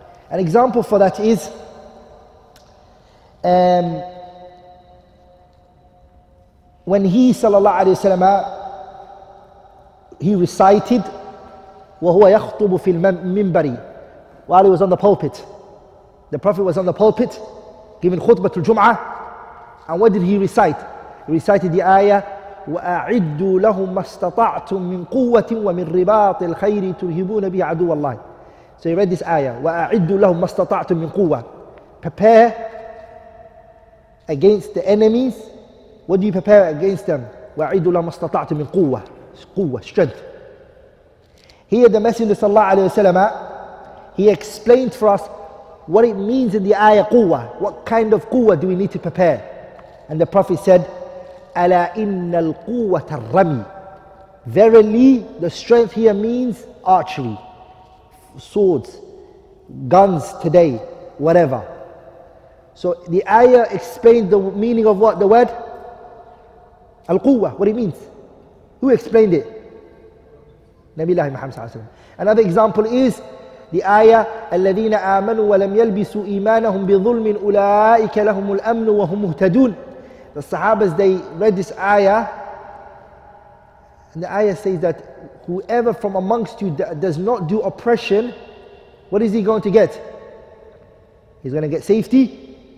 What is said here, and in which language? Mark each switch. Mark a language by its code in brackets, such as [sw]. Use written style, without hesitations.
[en] An example for that is when he sallallahu alayhi wa sallam, he recited [ar] وَهُوَ يَخْطُبُ فِي الْمِنْبَرِ, [en] while he was on the pulpit. The Prophet was on the pulpit giving khutbah to Jum'ah, and what did he recite? He recited the ayah [ar] وَأَعِدُّوا لَهُمْ مَا اسْتَطَعْتُمْ مِنْ قُوَّةٍ وَمِنْ رِبَاطِ الْخَيْرِ تُرْهِبُونَ بِهِ عَدُوَ اللَّهِ. [en] So he read this ayah, [ar] وَأَعِدُّوا لَهُمْ مَا اسْتَطَعْتُمْ مِنْ قُوَّةٍ. [en] Prepare against the enemies. What do you prepare against them? [ar] وَأَعِدُّوا لَهُمْ مَا اسْتَطَعْتُمْ مِنْ قُوَّةٍ. [en] قوة, strength. Here the Messenger sallallahu alayhi wa sallam, he explained for us what it means in the ayah قوة. What kind of قوة do we need to prepare? And the Prophet said, [ar] أَلَا إِنَّ الْقُوَّةَ الرَّمِي. [en] Verily, the strength here means archery, swords, guns today, whatever. So the ayah explained the meaning of what? The word? Al-Quwwah, what it means. Who explained it? Nabiullah Muhammad sallallahu alayhi wa sallam. Another example is the ayah, [ar] الَّذِينَ آمَنُوا وَلَمْ يَلْبِسُوا إِيمَانَهُمْ بِظُلْمٍ أُولَٰئِكَ لَهُمُ الْأَمْنُ وَهُمْ مُهْتَدُونَ. [en] The Sahabas, they read this ayah, and the ayah says that whoever from amongst you that does not do oppression, what is he going to get? He's going to get safety.